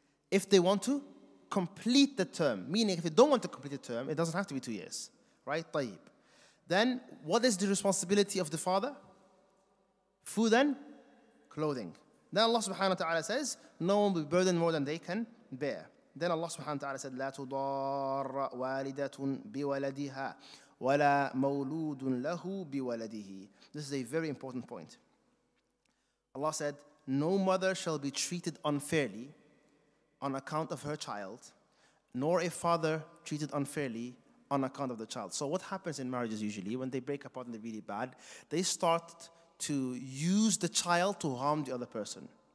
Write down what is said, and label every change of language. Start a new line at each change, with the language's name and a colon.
English: If they want to complete the term, meaning if they don't want to complete the term, it doesn't have to be 2 years, right? Tayyib. Then what is the responsibility of the father? Food and clothing. Then Allah subhanahu wa ta'ala says, no one will be burdened more than they can bear. Then Allah subhanahu wa ta'ala said,
Arabic: لا تضار والدة بولدها ولا مولود له بولده.
English: This is a very important point. Allah said, no mother shall be treated unfairly on account of her child, nor a father treated unfairly on account of the child. So what happens in marriages usually, when they break apart and they're really bad, they start to use the child to harm the other person.